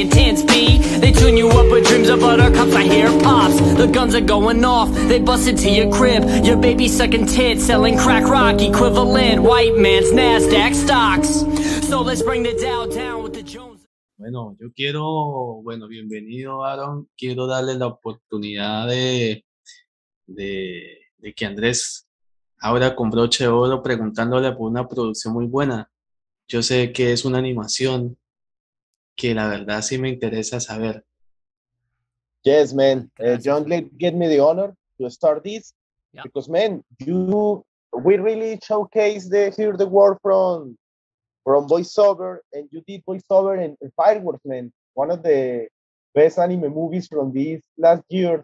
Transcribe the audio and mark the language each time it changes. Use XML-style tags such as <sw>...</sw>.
<en>Intense beat, they tune you up with dreams of buttercups. I hear pops, the guns are going off, they bust into your crib. Your baby sucking tits, selling crack rock equivalent, white man's NASDAQ stocks. So let's bring the Dow down with the Jones.</en> <es>Bueno, yo quiero, bueno, bienvenido, Aaron. Quiero darle la oportunidad de que Andrés abra con broche de oro preguntándole por una producción muy buena. Yo sé que es una animación que la verdad sí me interesa saber.</es> <en>Yes, man. John, get me the honor to start this. Yep. Because, man, we really showcase the hear the world from voiceover, and you did voiceover in Fireworks, man, one of the best anime movies from this last year.</en>